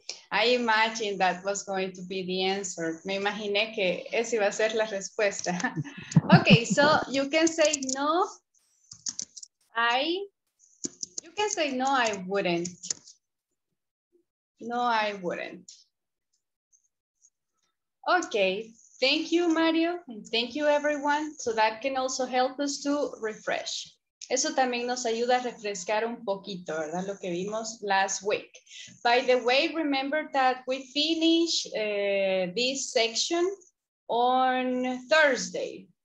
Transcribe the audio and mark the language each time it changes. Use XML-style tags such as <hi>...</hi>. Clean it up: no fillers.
<en>I imagine that was going to be the answer.</en> <es>Me imaginé que esa iba a ser la respuesta.</es> <en>Okay, so you can say no. You can say no, I wouldn't. No, I wouldn't. Okay, thank you, Mario, and thank you, everyone. So that can also help us to refresh.</en> <es>Eso también nos ayuda a refrescar un poquito, ¿verdad? Lo que vimos</es> <en>last week. By the way, remember that we finish this section on Thursday.</en>